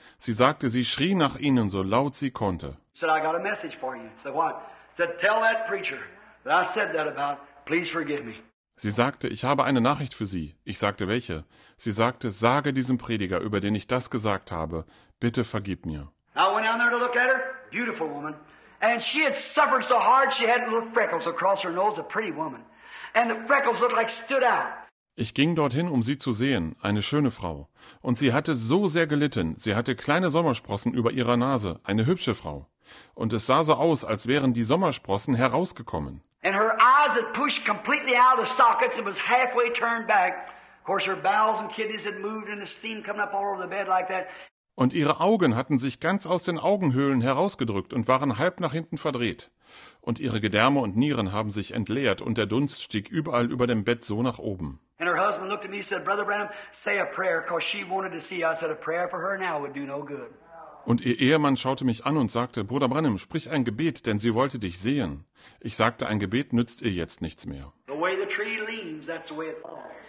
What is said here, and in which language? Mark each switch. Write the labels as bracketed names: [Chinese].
[German] Sie sagte, sie schrie nach ihnen, so laut sie konnte. Sie sagte, ich habe eine Message für Sie. Sie sagte, [English] tell that preacher that I said that about. Please forgive me. [German] Sie sagte, ich habe eine Nachricht für Sie. Ich sagte, welche? Sie sagte, sage diesem Prediger, über den ich das gesagt habe, bitte vergib mir. [English] I went down there to look at her, beautiful woman. And she had suffered so hard, she had little freckles across her nose, a pretty woman. And the freckles looked like stood out. [German] Ich ging dorthin, um sie zu sehen, eine schöne Frau. Und sie hatte so sehr gelitten, sie hatte kleine Sommersprossen über ihrer Nase, eine hübsche Frau. Und es sah so aus, als wären die Sommersprossen herausgekommen. [English] And her eyes had pushed completely out of sockets and was halfway turned back. Of course, her bowels and kidneys had moved and the steam coming up all over the bed like that. [German] Und ihre Augen hatten sich ganz aus den Augenhöhlen herausgedrückt und waren halb nach hinten verdreht. Und ihre Gedärme und Nieren haben sich entleert und der Dunst stieg überall über dem Bett so nach oben. [English] And her husband looked at me and said, Brother Branham, say a prayer, because she wanted to see. I said, a prayer for her now would do no good. [German] Und ihr Ehemann schaute mich an und sagte, Bruder Branham, sprich ein Gebet, denn sie wollte dich sehen. Ich sagte, ein Gebet nützt ihr jetzt nichts mehr. [English] The way the tree leans, that's the way it falls.